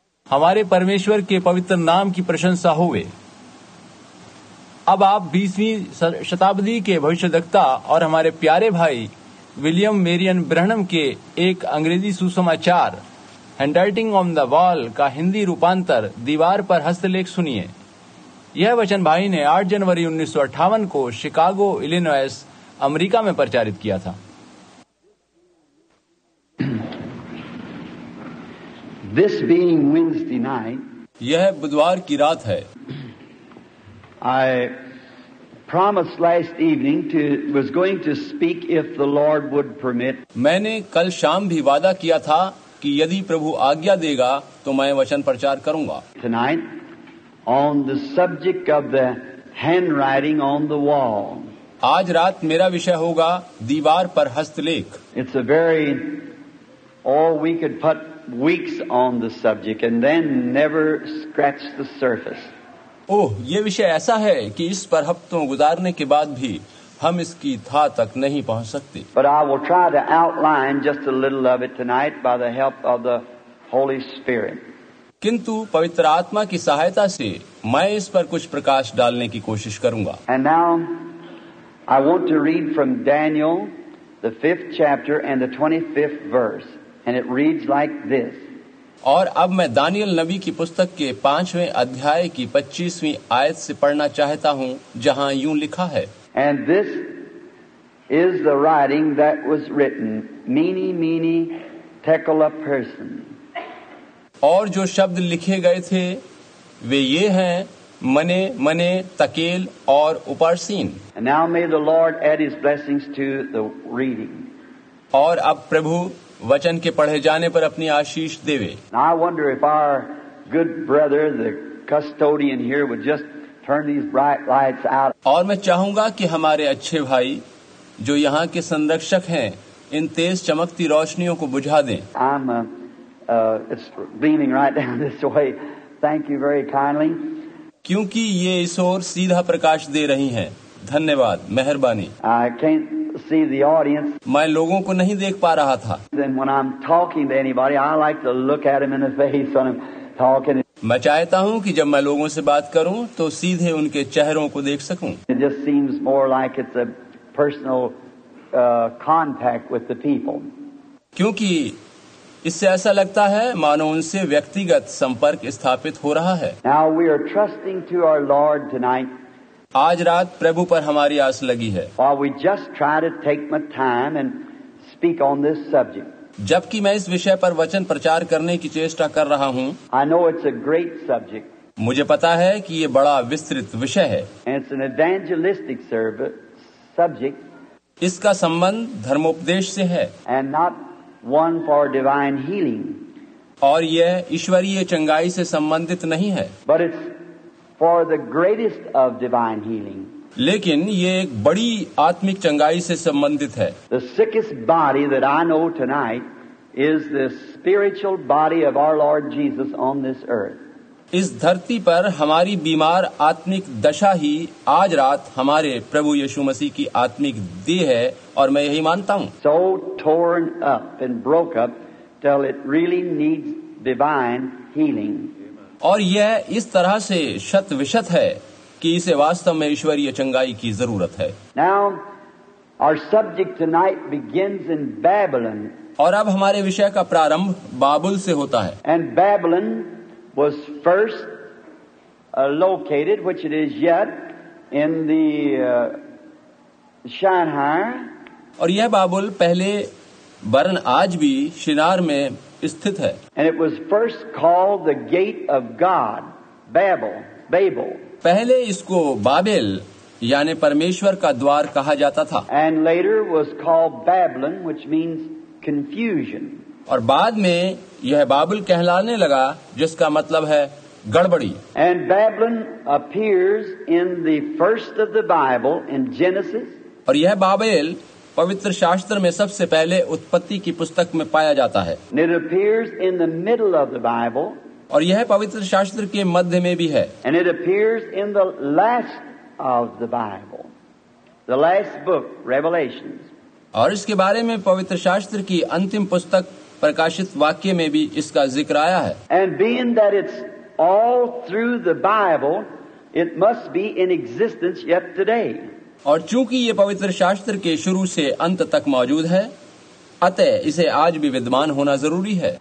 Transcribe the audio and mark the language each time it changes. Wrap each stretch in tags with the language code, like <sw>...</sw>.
<hi>हमारे परमेश्वर के पवित्र नाम की प्रशंसा होवे। अब आप 20वीं शताब्दी के भविष्यद्वक्ता और हमारे प्यारे भाई विलियम मेरियन ब्रहनम के एक अंग्रेजी सुसमाचार हैंडराइटिंग ऑन द वॉल का हिंदी रूपांतर दीवार पर हस्तलेख सुनिए। यह वचन भाई ने 8 जनवरी 1958 को शिकागो इलिनॉयस अमेरिका में प्रचारित किया था।</hi> <en>This being Wednesday night,</en> <hi>यह बुधवार की रात है।</hi> <en>I promised last evening to was going to speak if the Lord would permit.</en> <hi>मैंने कल शाम भी वादा किया था कि यदि प्रभु आज्ञा देगा तो मैं वचन प्रचार करूंगा।</hi> <en>Tonight on the subject of the handwriting on the wall.</en> <hi>आज रात मेरा विषय होगा दीवार पर हस्तलेख।</hi> <en>It's a very all we could put weeks on the subject and then never scratch the surface.</en> <hi>ओह, ये विषय ऐसा है कि इस पर हफ्तों गुजारने के बाद भी हम इसकी था तक नहीं पहुंच सकते।</hi> <en>But I will try to outline just a little of it tonight by the help of the Holy Spirit.</en> <hi>किंतु पवित्र आत्मा की सहायता से मैं इस पर कुछ प्रकाश डालने की कोशिश करूंगा।</hi> <en>And now I want to read from Daniel the 5th chapter and the 25th verse. And it reads like this.</en> <hi>और अब मैं दानियल नबी की पुस्तक के 5वें अध्याय की 25वीं आयत से पढ़ना चाहता हूँ, जहाँ यूँ लिखा है।</hi> <en>And this is the writing that was written, Mene Mene Tekel Upsarsin.</en> <hi>और जो शब्द लिखे गए थे वे ये हैं, मने मने तकेल और उपरसीन।</hi> <en>And now may the Lord add his blessings to the reading.</en> <hi>और अब प्रभु वचन के पढ़े जाने पर अपनी आशीष देवे।</hi> <en>I wonder if our good brother, the custodian here, would just turn these bright lights out.</en> <hi>और मैं चाहूंगा कि हमारे अच्छे भाई जो यहाँ के संरक्षक हैं, इन तेज चमकती रोशनियों को बुझा दें।</hi> <en>It's beaming right down this way. Thank you very kindly.</en> <hi>क्योंकि ये इस ओर सीधा प्रकाश दे रही हैं। धन्यवाद, मेहरबानी।</hi> <en>I can't see the audience.</en> <hi>मैं लोगों को नहीं देख पा रहा था।</hi> <en>Then when I'm talking to anybody, I like to look at him in the face when I'm talking.</en> <hi>मैं चाहता हूँ कि जब मैं लोगों से बात करूँ तो सीधे उनके चेहरों को देख सकूँ।</hi> <en>It just seems more like it's a personal contact with the people.</en> <hi>क्योंकि इससे ऐसा लगता है मानो उनसे व्यक्तिगत संपर्क स्थापित हो रहा है।</hi> <en>Now we are trusting to our Lord tonight.</en> <hi>आज रात प्रभु पर हमारी आस लगी है।</hi> <en>While we just try to take my time and speak on this subject.</en> <hi>जबकि मैं इस विषय पर वचन प्रचार करने की चेष्टा कर रहा हूँ।</hi> <en>I know it's a great subject.</en> <hi>मुझे पता है कि ये बड़ा विस्तृत विषय है।</hi> <en>And it's an evangelistic subject.</en> <hi>इसका संबंध धर्मोपदेश से है।</hi> <en>And not one for divine healing.</en> <hi>और यह ईश्वरीय चंगाई से संबंधित नहीं है।</hi> <en>But it's for the greatest of divine healing.</en> <hi>लेकिन ये एक बड़ी आत्मिक चंगाई से संबंधित है।</hi> <en>The sickest body that I know tonight is the spiritual body of our Lord Jesus on this earth.</en> <hi>इस धरती पर हमारी बीमार आत्मिक दशा ही आज रात हमारे प्रभु यीशु मसीह की आत्मिक देह है, और मैं यही मानता हूँ।</hi> <en>So torn up and broke up till it really needs divine healing.</en> <hi>और यह इस तरह से शत विशत है कि इसे वास्तव में ईश्वरीय चंगाई की जरूरत है।</hi> <en>Now, our subject tonight begins in Babylon.</en> <hi>और अब हमारे विषय का प्रारंभ बाबुल से होता है।</hi> <en>And Babylon was first located, which it is yet, in the Shinar.</en> <hi>और यह बाबुल पहले वरन आज भी शिनार में स्थित है।</hi> <en>And it was first called the gate of God, Babel.</en> <hi>पहले इसको बाबेल यानि परमेश्वर का द्वार कहा जाता था।</hi> <en>And later was called Babylon, which means confusion.</en> <hi>और बाद में यह बाबुल कहलाने लगा, जिसका मतलब है गड़बड़ी।</hi> <en>And Babylon appears in the first of the Bible in Genesis.</en> <hi>और यह बाबेल पवित्र शास्त्र में सबसे पहले उत्पत्ति की पुस्तक में पाया जाता है।</hi> <en>It appears in the middle of the Bible.</en> <hi>और यह पवित्र शास्त्र के मध्य में भी है।</hi> <en>And it appears in the last of the Bible, the last book, Revelations.</en> <hi>और इसके बारे में पवित्र शास्त्र की अंतिम पुस्तक प्रकाशित वाक्य में भी इसका जिक्र आया है.</hi> <en>And being that it's all through the Bible it must be in existence yet today.</en> <hi>और चूंकि ये पवित्र शास्त्र के शुरू से अंत तक मौजूद है अतः इसे आज भी विद्यमान होना जरूरी है.</hi>